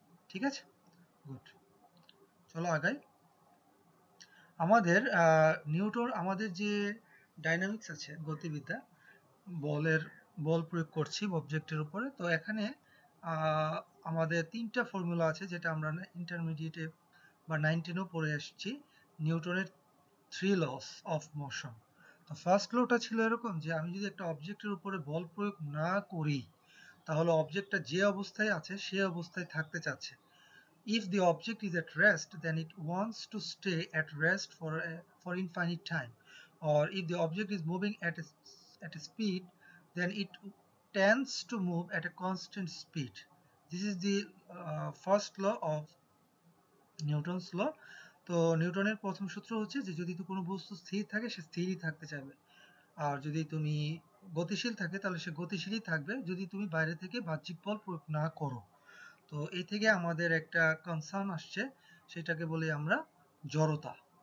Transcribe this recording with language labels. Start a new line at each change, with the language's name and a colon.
Bangla: ঠিক আছে, গুড, চলো আগাই। আমাদের নিউটন, আমাদের যে ডাইনামিক্স আছে, গতিবিদ্যা, বলের বল প্রয়োগ করছি অবজেক্টের উপরে, তো এখানে আমাদের তিনটা ফর্মুলা আছে, যেটা আমরা ইন্টারমিডিয়েটে বা 19 পড়ে এসেছি, নিউটনের থ্রি লস অফ মোশন। তো ফার্স্ট লটা ছিল এরকম যে আমি যদি একটা অবজেক্টের উপরে বল প্রয়োগ না করি, তাহলে অবজেক্টটা যে অবস্থায় আছে সে অবস্থায় থাকতে চাচ্ছে।
English: If the object is at rest, then it wants to stay at rest for infinite time. Or if the object is moving at a speed, then it tends to move at a constant speed. This is the first law of Newton's law.
Bangla: তো নিউটনের প্রথম সূত্র হচ্ছে যে যদি কোনো বস্তু স্থির থাকে সে স্থিরই থাকতে চাইবে, আর যদি তুমি গতিশীল থাকে তাহলে সে গতিশীলই থাকবে যদি তুমি বাইরে থেকে বাহ্যিক বল প্রয়োগ না করো। তো এই থেকে আমাদের একটা কনসার্ন আসছে, সেটাকে বলি আমরা জড়তা।